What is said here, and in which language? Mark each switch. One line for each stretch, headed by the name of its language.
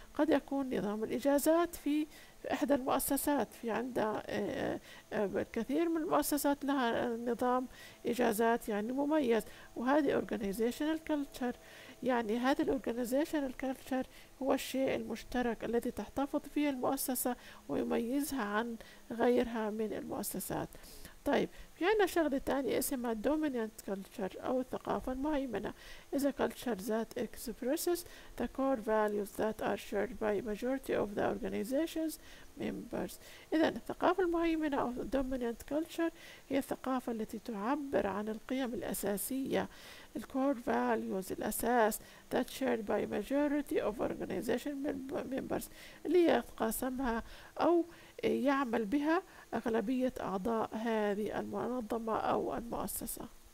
Arabic: قد يكون نظام الإجازات في إحدى المؤسسات، في عندها الكثير من المؤسسات لها نظام إجازات يعني مميز، وهذه organizational culture. يعني هذا organizational culture هو الشيء المشترك الذي تحتفظ فيه المؤسسة ويميزها عن غيرها من المؤسسات. طيب في عنا شغلة تانية اسمها dominant culture أو الثقافة المهيمنة.
English: is a culture that expresses the core values that are shared by majority of the organization's members.
Arabic: إذن الثقافة المهيمنة أو dominant culture هي الثقافة التي تعبر عن القيم الأساسية the core values الأساس
English: that shared by majority of organization members
Arabic: اللي يتقاسمها أو يعمل بها أغلبية أعضاء هذه المنظمة أو المؤسسة.